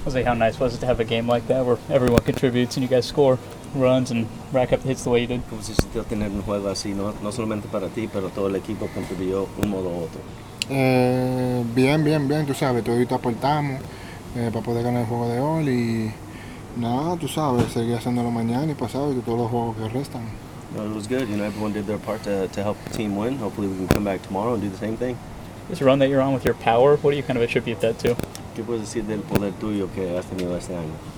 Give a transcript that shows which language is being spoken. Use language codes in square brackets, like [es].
[en] I'll say, how nice was it to have a game like that where everyone contributes and you guys score runs and rack up the hits the way you did? [es] ¿Cómo se sintió tener un juego así, no solamente para ti, pero todo el equipo contribuyó un modo u otro? Bien, tú sabes, todos aportamos para poder ganar el juego de hoy y nada, tú sabes, seguir haciéndolo mañana y pasado y todos los juegos que restan. [en] Well, it was good, you know, everyone did their part to help the team win. Hopefully we can come back tomorrow and do the same thing. This run that you're on with your power, what do you kind of attribute that to? [es] ¿Qué puedes decir del poder tuyo que has tenido este año?